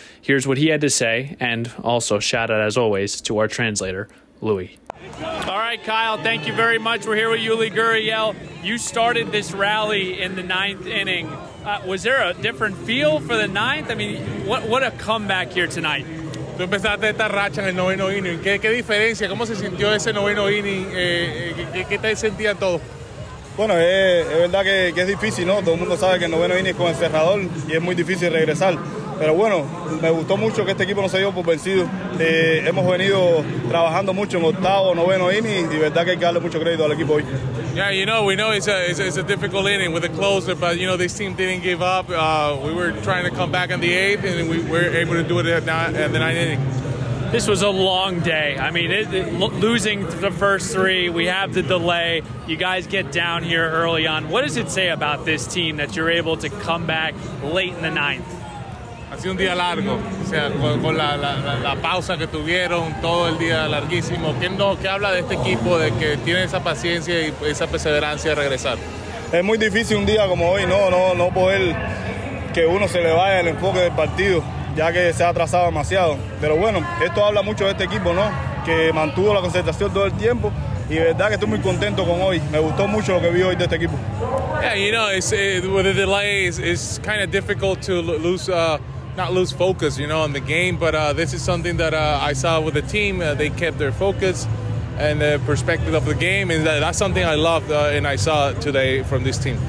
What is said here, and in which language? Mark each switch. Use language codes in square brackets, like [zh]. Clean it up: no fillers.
[en] Here's what he had to say, and also shout out, as always, to our translator, Louis. All right, Kyle, thank you very much. We're here with Yuli Gurriel. You started this rally in the ninth inning. Was there a different feel for the ninth? I mean, what a comeback here tonight. [es] Tú empezaste esta racha en el noveno inning. ¿Qué diferencia? ¿Cómo se sintió ese noveno inning? ¿Qué te sentían todos? Bueno, es verdad que es difícil, ¿no? Todo el mundo sabe que el noveno inning es con el cerrador y es muy difícil regresar. Pero bueno, me gustó mucho que este equipo no se dio por vencido. Hemos venido trabajando mucho en octavo, noveno inning, y verdad que hay que darle mucho crédito al equipo hoy. [en] Yeah, we know it's a difficult inning with a closer, but you know, this team didn't give up. We were trying to come back in the eighth, and we were able to do it at the ninth inning. This was a long day. I mean, losing the first three, we have the delay. You guys get down here early on. What does it say about this team that you're able to come back late in the ninth? [es] Ha sido un día largo, o sea, con la pausa que tuvieron, todo el día larguísimo. ¿Qué habla de este equipo, de que tiene esa paciencia y esa perseverancia de regresar? Es muy difícil un día como hoy, no poder que uno se le vaya el enfoque del partido. ya que se ha atrasado demasiado. Pero bueno, esto habla mucho de este equipo, ¿no? Que mantuvo la concentración todo el tiempo. Y verdad que estoy muy contento con hoy. Me gustó mucho lo que vi hoy de este equipo. [en] Yeah, you know, with the delay, it's kind of difficult to lose, not lose focus, you know, on the game. But this is something that I saw with the team. They kept their focus and the perspective of the game. And that's something I loved and I saw today from this team.